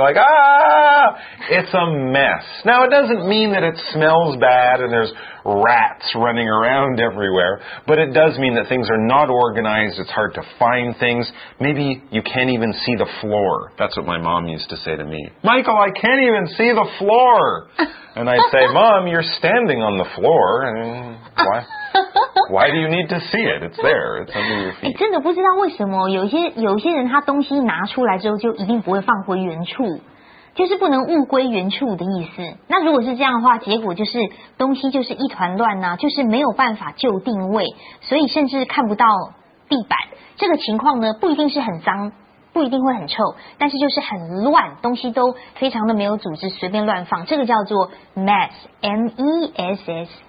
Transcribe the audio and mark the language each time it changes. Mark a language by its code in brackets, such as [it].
[en] You're like, ah, it's a mess. Now, it doesn't mean that it smells bad and there's rats running around everywhere, but it does mean that things are not organized. It's hard to find things. Maybe you can't even see the floor. That's what my mom used to say to me. Michael, I can't even see the floor. And I'd say, Mom, you're standing on the floor. Why? Why do you need to see it? It's there. It's under your feet. [zh] 真的不知道为什么有些人他东西拿出来之后就一定不会放回原处。就是不能物归原处的意思。那如果是这样的话，结果就是东西就是一团乱啊，就是没有办法就定位，所以甚至看不到地板。这个情况呢，不一定是很脏，不一定会很臭，但是就是很乱，东西都非常的没有组织，随便乱放。这个叫做 mess， M-E-S-S。